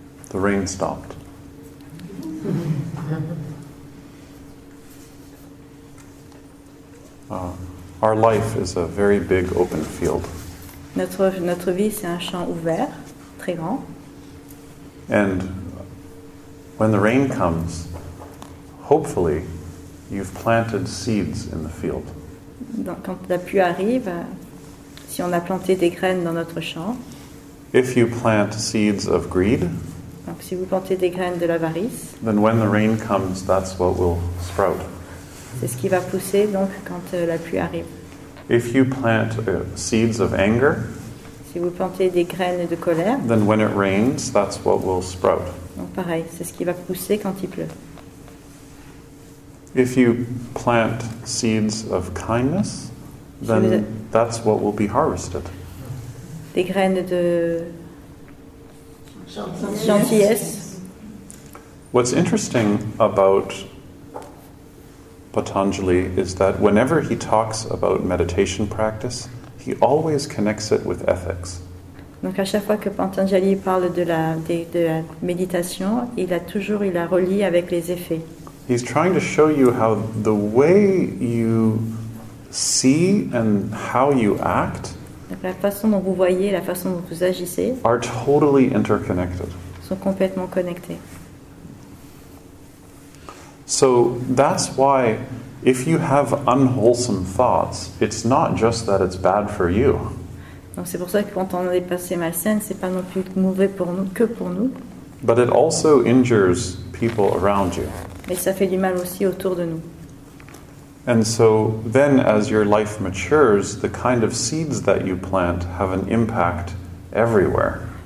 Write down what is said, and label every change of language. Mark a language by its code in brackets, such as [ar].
[en] The rain stopped. Our life is a very big open field. [fr] Notre vie, c'est un champ ouvert, très grand. [en] And when the rain comes, hopefully you've planted seeds in the field. [fr] Donc, quand la pluie arrive, si on a planté des graines dans notre champ. [en] If you plant seeds of greed, [fr] donc si vous plantez des graines de l'avarice, [en] then when the rain comes, that's what will sprout. [fr] C'est ce qui va pousser donc quand la pluie arrive. [en] If you plant seeds of anger, [fr] si vous plantez des graines de colère, [en] then when it rains, that's what will sprout. [fr] Donc pareil, c'est ce qui va pousser quand il pleut. [en] If you plant seeds of kindness, then that's what will be harvested. [fr] Des graines de gentillesse. [en] What's interesting about Patanjali is that whenever he talks about meditation practice, he always connects it with ethics. [fr] Donc à chaque fois que Patanjali parle de la méditation, il la relie avec les effets. [en] He's trying to show you how the way you see and how you act, [fr] la façon dont vous voyez, la façon dont vous agissez, [en] are totally interconnected. [fr] Sont complètement connectés. [en] So that's why if you have unwholesome thoughts, it's not just that it's bad for you. [fr] Donc c'est pour ça que quand on a des pensées malsaines, c'est pas non plus mauvais pour nous, que pour nous. [en] But it also injures people around you. [fr] Mais ça fait du mal aussi autour de nous. [en] And so then as your life matures, the kind of seeds that you plant have an impact everywhere.